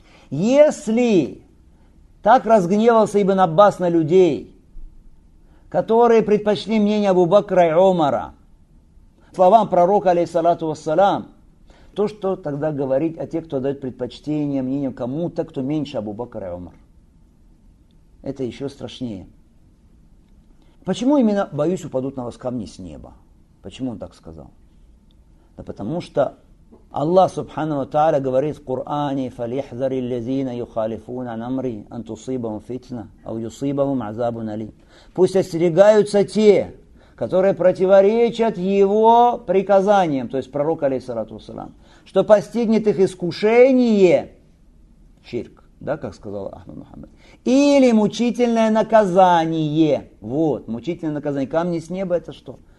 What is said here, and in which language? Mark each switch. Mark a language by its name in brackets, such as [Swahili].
[Russian] Если так разгневался Ибн Аббас на людей, которые предпочли мнение Абу Бакра и Умара, словам пророка, алейхиссалату вассалям, то, что тогда говорить о тех, кто дает предпочтение мнению кому-то, кто меньше Абу Бакра и Умар. Это еще страшнее. Почему именно, боюсь, упадут на вас камни с неба? Почему он так сказал? Да потому что Аллах, субхана ва тааля, говорит в Коране, [Arabic] فَلْيَحْذَرِ الَّذِينَ يُخَالِفُونَ عَنْ أَمْرِي أَنْ تُصِيبَهُمْ فِتْنَةً أَوْ يُصِيبَهُمْ عَذَابٌ أَلِيمٌ. [Russian] Пусть остерегаются те, которые противоречат его приказаниям, то есть пророк, алейхиссалату вассалям, что постигнет их искушение, ширк, да, как сказал Ахмад Мухаммад, или мучительное наказание, вот, мучительное наказание, камни с неба это что?